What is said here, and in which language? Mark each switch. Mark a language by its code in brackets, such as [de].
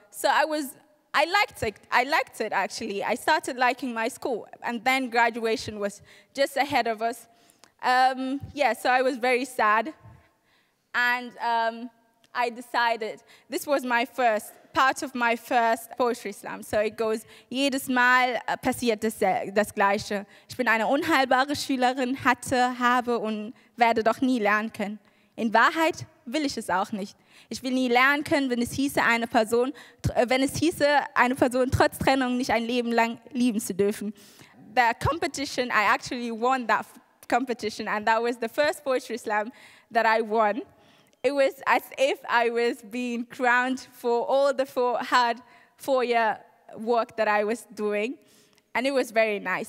[en] So I liked it, actually. I started liking my school, and then graduation was just ahead of us. So I was very sad, and I decided, this was part of my first poetry slam. So it goes, [de] jedes Mal passiert das Gleiche. Ich bin eine unheilbare Schülerin, hatte, habe und werde doch nie lernen können. In Wahrheit will ich es auch nicht. Ich will nie lernen können, wenn es hieße, eine Person trotz Trennung nicht ein Leben lang lieben zu dürfen. [en] The competition, I actually won that competition, and that was the first poetry slam that I won. It was as if I was being crowned for all the hard four-year work that I was doing, and it was very nice.